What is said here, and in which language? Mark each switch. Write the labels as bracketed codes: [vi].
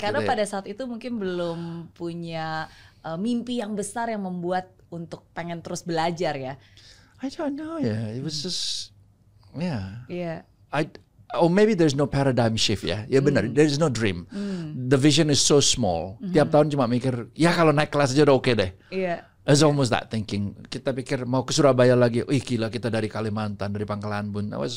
[id] Karena gitu, pada saat itu mungkin belum punya mimpi yang besar yang membuat untuk pengen terus belajar ya. [en] I don't know, yeah. It was just yeah. I Oh, maybe there's no paradigm shift, ya. [id] Ya benar, [en] there's no dream. The vision is so small. [id] Tiap tahun cuma mikir, ya kalau naik kelas aja udah okay deh. [en] Yeah. It's almost that thinking. [id] Kita pikir mau ke Surabaya lagi, wih gila kita dari Kalimantan, dari Pangkalan Bun.